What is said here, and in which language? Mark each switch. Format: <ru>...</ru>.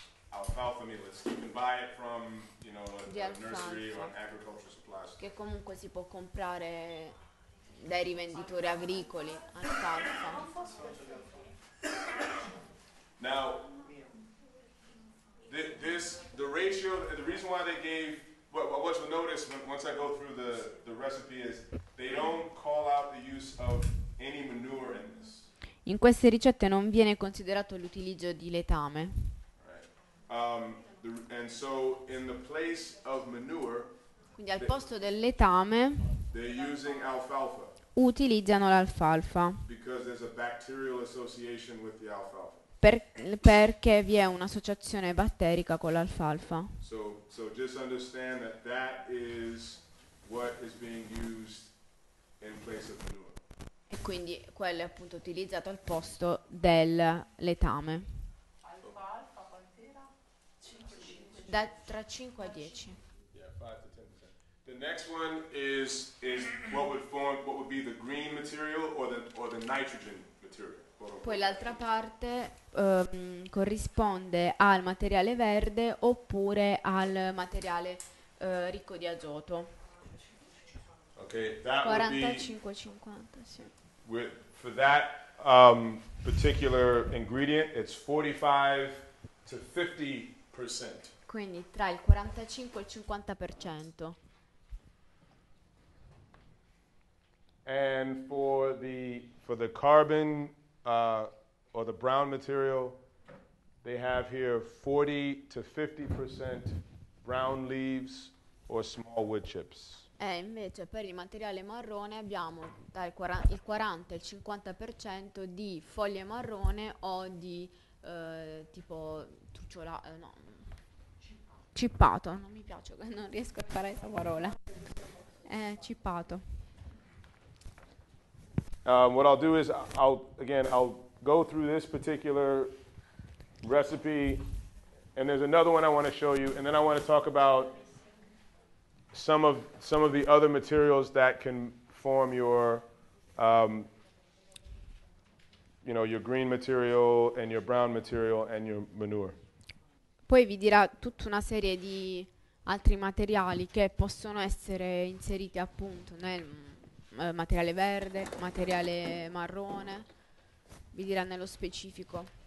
<en>Alfalfa meal, it's, you can buy it from, you know, a nursery or an agricultural supply store.</en> <it>Che comunque si può comprare dai rivenditori agricoli, alfalfa.</it> <en>Now, the ratio, the reason why they gave, what you'll notice once I go through the recipe is they don't call out the use of any manure in this.</en> <it>In queste ricette non viene considerato l'utilizzo di letame.</it> <en>Right. And so in the place of manure,</en> <it>quindi al posto del letame,</it> <en>they're using alfalfa.</en> <it>Utilizzano l'alfalfa.</it> <en>Because there's a bacterial association with the alfalfa.</en> <it>Perché vi è un'associazione batterica con l'alfalfa.</it> <en>So just understand that that is what is being used in place of manure.</en> <it>E quindi quello è appunto utilizzato al posto del letame. Alfalfa quant'era? Tra 5 e 10.</it> <en>Yeah, 5 to 10%. The next one is what would be the green material or the nitrogen material.</en> <it>Poi l'altra parte corrisponde al materiale verde oppure al materiale ricco di azoto.</it> <en>Okay, that 45-50,</en> <it>sì.</it> <en>With, for that particular ingredient, it's 45 to 50%.</en> <it>Quindi tra il 45 e il 50%.</it> <en>And for the carbon or the brown material, they have here 40 to 50% brown leaves or small wood chips.</en> <it>E invece per il materiale marrone abbiamo dal il 40 e il 50% di foglie marrone o di tipo trucciolato, no, cippato, non mi piace, non riesco a fare questa parola, cippato.</it> <en>What I'll do is, I'll go through this particular recipe, and there's another one I want to show you, and then I want to talk about some of the other materials that can form your, you know, your green material and your brown material and your manure.</en> <it>Poi vi dirà tutta una serie di altri materiali che possono essere inseriti appunto nel materiale verde, materiale marrone, vi dirà nello specifico.</it>